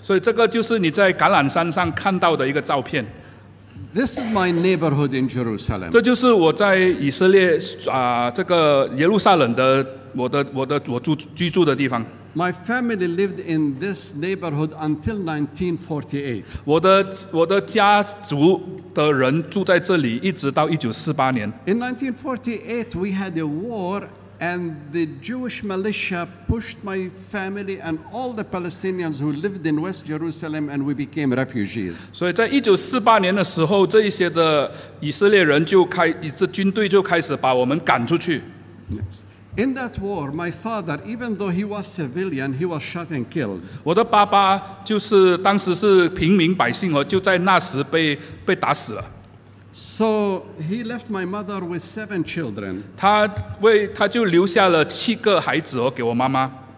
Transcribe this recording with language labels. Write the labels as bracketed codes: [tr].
[zh] 所以这个就是你在橄榄山上看到的一个照片。 [en] This is my neighborhood in Jerusalem. [zh] 这就是我在以色列这个耶路撒冷的我居住的地方。 [en] My family lived in this neighborhood until 1948. [zh] 我的家族的人住在这里，一直到1948年。 [en] In 1948, we had a war, and the Jewish militia pushed my family and all the Palestinians who lived in West Jerusalem, and we became refugees. [zh] 所以在1948年的时候，这一些的以色列人军队就开始把我们赶出去。 [en] Yes. In that war, my father, even though he was civilian, he was shot and killed. [zh] 我的爸爸就是当时是平民百姓，就在那时被打死了。 [en] So he left my mother with 7 children. [zh] 他就留下了七个孩子给我妈妈。